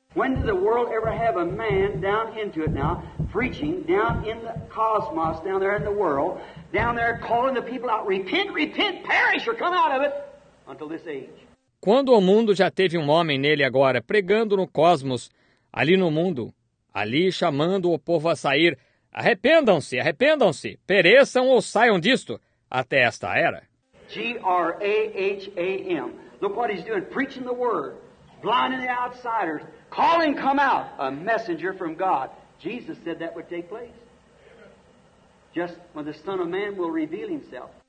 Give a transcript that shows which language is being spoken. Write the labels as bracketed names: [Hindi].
[English] When did the world ever have a man down into it now, preaching down in the cosmos, down there in the world, down there calling the people out, repent, repent, perish, or come out of it, until this age? [Portuguese] Quando o mundo já teve um homem nele agora, pregando no cosmos, ali no mundo, ali chamando o povo a sair, arrependam-se, arrependam-se, pereçam ou saiam disto, até esta era? [English] G-R-A-H-A-M. Look what he's doing, preaching the word, blinding the outsiders, calling, come out, a messenger from God. Jesus said that would take place. Just when the Son of Man will reveal himself.